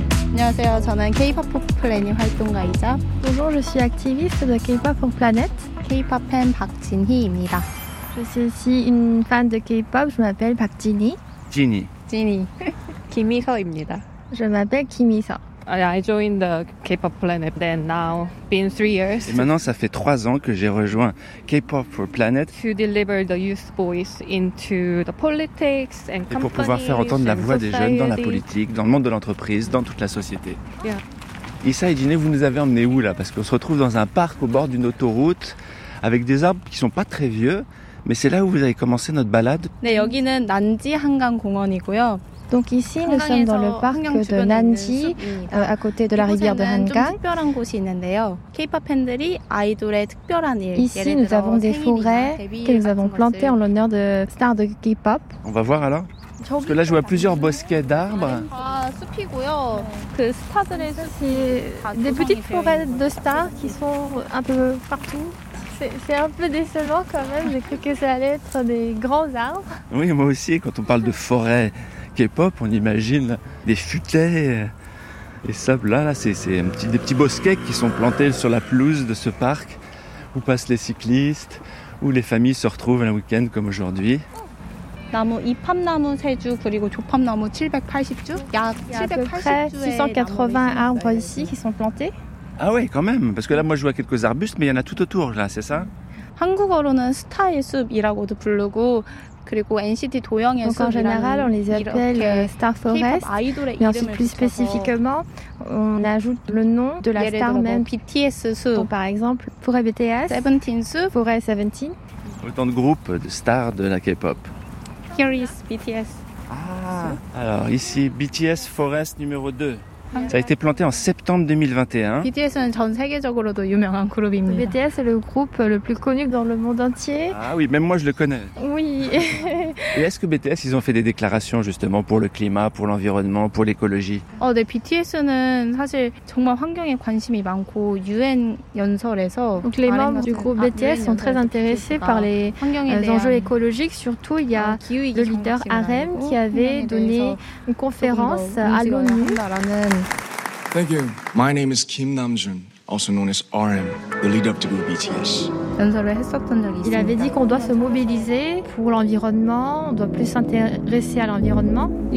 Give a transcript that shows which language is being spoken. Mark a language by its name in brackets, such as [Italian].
[Korean] 안녕하세요. 저는 K-pop for Planet 활동가이자 [French] Bonjour, je suis activiste de K-pop for Planet. [Korean] K-pop fan 박진희입니다. [French] Je suis aussi une fan de K-pop. Je m'appelle 박진희. [Korean] 진희. 진희. 김희서입니다. [French] Je m'appelle 김희서. [English] I joined the K-pop Planet then now been 3 years. [French] Et maintenant ça fait 3 ans que j'ai rejoint K-pop for Planet. [English] To deliver the youth voice into the politics and companies. [French] Et pour pouvoir faire entendre la voix des jeunes dans la politique, dans le monde de l'entreprise, dans toute la société. [English] Yeah. [French] Issa et Jinné, vous nous avez emmenés où là? Parce qu'on se retrouve dans un parc au bord d'une autoroute avec des arbres qui sont pas très vieux, mais c'est là où vous avez commencé notre balade. [Korean] 네, 여기는 난지 한강 공원이고요. [French] Donc ici, nous sommes dans le parc de Nanji, à côté de la rivière de Hangang. Ici, nous avons des forêts que nous avons plantées en l'honneur de stars de K-pop. On va voir alors. Parce que là, je vois plusieurs bosquets d'arbres. C'est des petites forêts de stars qui sont un peu partout. C'est un peu décevant quand même. J'ai cru que ça allait être des grands arbres. Oui, moi aussi, quand on parle de forêts K-pop, on imagine des futaies et ça, là c'est des petits bosquets qui sont plantés sur la pelouse de ce parc où passent les cyclistes, où les familles se retrouvent un week-end comme aujourd'hui. [Korean] 나무 이팝나무 세 주 그리고 조팝나무 780 주 약 [French] 680 arbres ici qui sont plantés. Ah oui, quand même, parce que là moi je vois quelques arbustes mais il y en a tout autour là, c'est ça? [Korean] 한국어로는 스타의 숲이라고도 부르고 그리고 NCT 도영의 [French] Donc en général, on les appelle Star Forest. Mais ensuite, plus spécifiquement, on ajoute le nom de la star même. [Korean] BTS 숲. [French] Donc par exemple, forêt BTS. [Korean] 17 숲. [French] Forêt 17. Autant de groupes de stars de la K-pop. [English] Here is BTS. [French] Ah, alors ici, BTS Forest numéro 2. Ça a été planté en septembre 2021. [Korean] BTS은 전 세계적으로도 유명한 그룹입니다. [French] BTS est le groupe le plus connu dans le monde entier. Ah oui, même moi je le connais. Oui. Et est-ce que BTS, ils ont fait des déclarations justement pour le climat, pour l'environnement, pour l'écologie? [Korean] Oh, 네, BTS는 사실 정말 환경에 관심이 많고 UN 연설에서 [French] Donc les membres du groupe BTS sont très intéressés par les enjeux écologiques. Surtout, il y a le leader RM qui avait donné une conférence à l'ONU. [English] Thank you. My name is Kim Namjoon, also known as RM, the leader of the group BTS. [French] Il avait dit qu'on doit se mobiliser pour l'environnement, on doit plus s'intéresser à l'environnement.